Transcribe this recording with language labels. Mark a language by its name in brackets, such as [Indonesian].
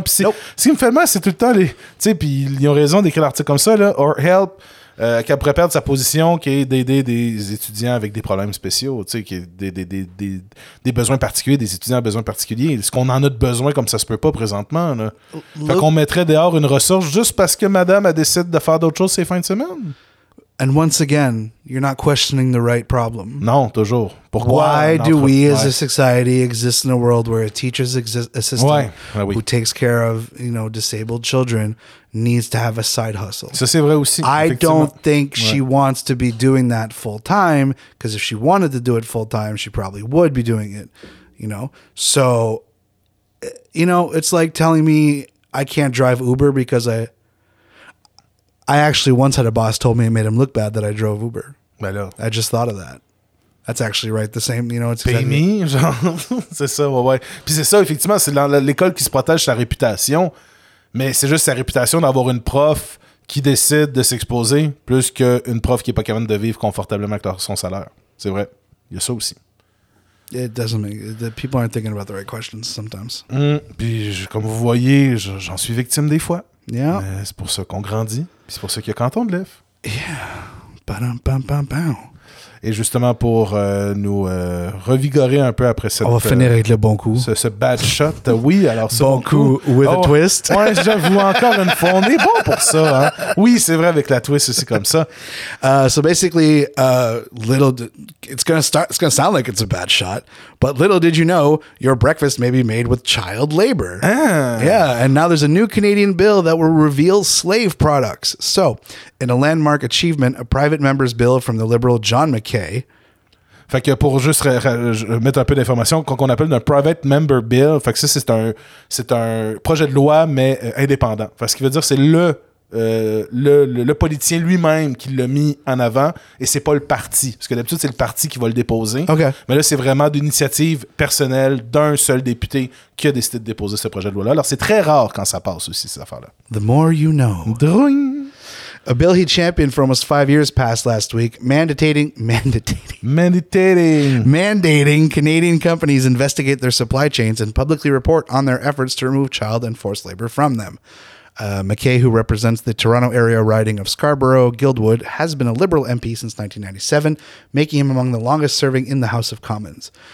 [French] Puis c'est, ce qui me fait mal, c'est tout le temps les. Tu sais, puis ils ont raison d'écrire l'article comme ça, là, [English] or help, [French] qu'elle pourrait perdre sa position, qui est d'aider des étudiants avec des problèmes spéciaux, tu sais, qui est des besoins particuliers, des étudiants à besoins particuliers. Est-ce qu'on en a de besoin comme ça se peut pas présentement, là? Fait qu'on mettrait dehors une ressource juste parce que madame a décidé de faire d'autres choses ces fins de semaine? [English] And once again, you're not questioning the right problem. [French] Non, toujours. Pourquoi? [English] Why do we as a society exist in a world where a teacher's assistant who takes care of, you know, disabled children needs to have a side hustle? [French] Ça, c'est vrai aussi. [English] I don't think she wants to be doing that full time, because if she wanted to do it full time, she probably would be doing it, you know? So, you know, it's like telling me I can't drive Uber because I actually once had a boss told me it made him look bad that I drove Uber. [French] Ben là. [English] I just thought of that. That's actually right. The same, you know, it's exactly. [French] Payme, genre. C'est ça, ouais, ouais. Puis c'est ça, effectivement, c'est l'école qui se protège sa réputation, mais c'est juste sa réputation d'avoir une prof qui décide de s'exposer plus qu'une prof qui n'est pas capable de vivre confortablement avec son salaire. C'est vrai. Il y a ça aussi. [English] It doesn't make the people aren't thinking about the right questions sometimes. [French] Comme vous voyez, j'en suis victime des fois. [English] Yeah. [French] Mais c'est pour ça qu'on grandit. Puis c'est pour ça qu'il y a Canton de l'EF. [English] Yeah. Ba-dum, bam, bam, bam. [French] Et justement pour nous revigorer un peu après cette. On va finir avec le bon coup. Ce [English] bad shot. [French] Oui, alors ce bon coup. Bon coup [English] with a twist. [French] Ouais, j'avoue, encore une fois, on est bon pour ça. Hein? Oui, c'est vrai, avec la twist aussi comme ça. [English] So basically, it's going to sound like it's a bad shot, but little did you know, your breakfast may be made with child labor. Ah. Yeah, and now there's a new Canadian bill that will reveal slave products. So, in a landmark achievement, a private member's bill from the Liberal John McCain. Okay. [French] Fait que pour juste mettre un peu d'information, qu'on appelle un private member bill, fait que ça c'est un projet de loi mais indépendant. Fait que ce qui veut dire c'est le politicien lui-même qui l'a mis en avant et c'est pas le parti, parce que d'habitude c'est le parti qui va le déposer. Okay. Mais là c'est vraiment d'initiative personnelle d'un seul député qui a décidé de déposer ce projet de loi là. Alors c'est très rare quand ça passe aussi ces affaires là. [English] The more you know. Droing. A bill he championed for almost 5 years passed last week, mandating Canadian companies investigate their supply chains and publicly report on their efforts to remove child and forced labor from them. McKay, who represents the Toronto area riding of Scarborough, Guildwood, has been a Liberal MP since 1997, making him among the longest serving in the House of Commons.